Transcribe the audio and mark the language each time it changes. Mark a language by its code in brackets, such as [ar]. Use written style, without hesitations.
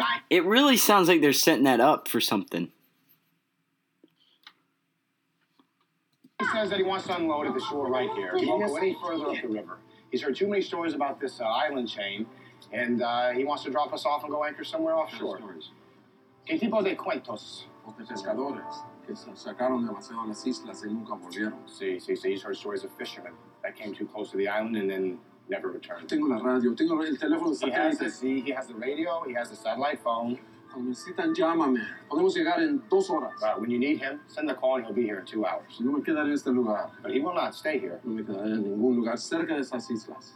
[en] It really sounds like they're setting that up for something. He says that he wants to unload at the shore right here. He won't go any further up the river. He's heard too many stories about this island chain, and he wants to drop us off and go anchor somewhere offshore. [es] ¿Qué tipo de cuentos? Los pescadores que se sacaron demasiado a las islas y nunca volvieron. Sí. [en] He's heard stories of fishermen that came too close to the island and then never returned. [es] Tengo la radio. Tengo el teléfono [en] satélite. He has the radio. He has the satellite phone. [es] Necesitan, llámame. Podemos llegar en dos horas. [en] When you need him, send the call and he'll be here in 2 hours. [es] No me quedaré en este lugar. [en] But he will not stay here. [es] No me quedaré en ningún lugar cerca de esas islas.